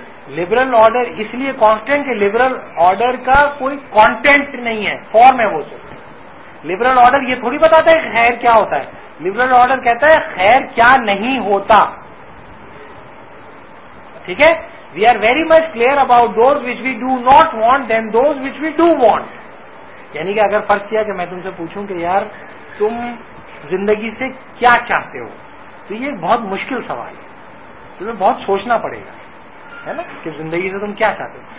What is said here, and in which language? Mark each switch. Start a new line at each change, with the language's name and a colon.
Urdu: Liberal order اس لیے constant کہ liberal order کا کوئی کانٹینٹ نہیں ہے, فارم ہے وہ صرف. لبرل آرڈر یہ تھوڑی بتاتا ہے خیر کیا ہوتا ہے, لبرل آرڈر کہتا ہے خیر کیا نہیں ہوتا. ٹھیک ہے,
English: We are very much clear about those which we do not want then those which we do want.
Urdu: یعنی کہ اگر فرض کیا کہ میں تم سے پوچھوں کہ یار تم زندگی سے کیا چاہتے ہو, تو یہ بہت مشکل سوال ہے, تمہیں بہت سوچنا پڑے گا, ہے نا, کہ زندگی سے تم کیا چاہتے ہو.